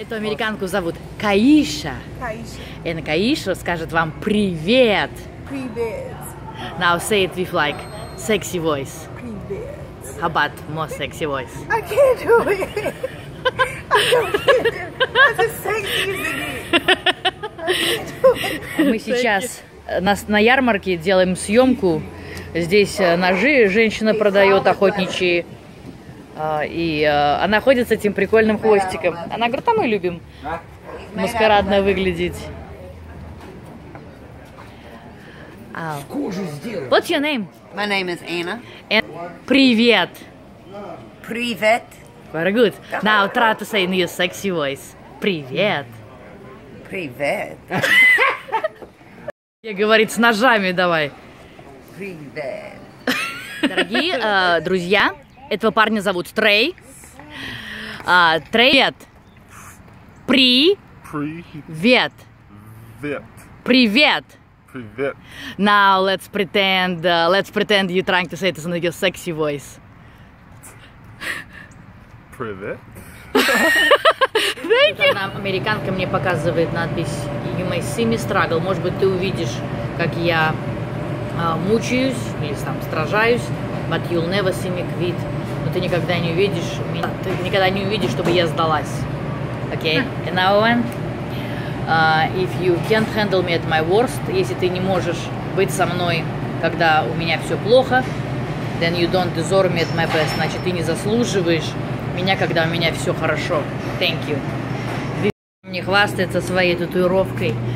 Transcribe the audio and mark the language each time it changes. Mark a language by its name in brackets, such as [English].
[Russian] Эту американку зовут Каиша. Каиша. И Каиша скажет вам привет. Привет. [English] Now say it with like sexy voice. [Russian] Привет. [English] How about more sexy voice? I can't do it. I can't do it. That's a sexy thing. I can't do it. [Russian] Мы сейчас на ярмарке делаем съемку. Здесь ножи женщина продает, охотничьи. Она ходит с этим прикольным хвостиком. Она говорит, а мы любим маскарадно выглядеть. [English] What's your name? My name is Anna. [Russian] Привет. Привет. [English] Very good. Now try to say in your sexy voice. [Russian] Привет. Привет. Я говорит, с ножами давай. Привет. Дорогие друзья, этого парня зовут Трей. Трейет. При. Привет. Привет. Привет. [English] Now let's pretend you're trying to say this in your sexy voice. [Russian] Привет. [English] Thank you. [Russian] Американка мне показывает надпись [English] You may see me struggle. [Russian] Может быть, ты увидишь, как я мучаюсь или там сражаюсь, [English] but you'll never see me quit. [Russian] Ты никогда не увидишь меня. Ты никогда не увидишь, чтобы я сдалась. [English] Окей. Okay. Another one. If you can't handle me at my worst, [Russian] если ты не можешь быть со мной, когда у меня все плохо, [English] then you don't deserve me at my best. [Russian] Значит, ты не заслуживаешь меня, когда у меня все хорошо. [English] Thank you. [Russian] Мне хвастается своей татуировкой.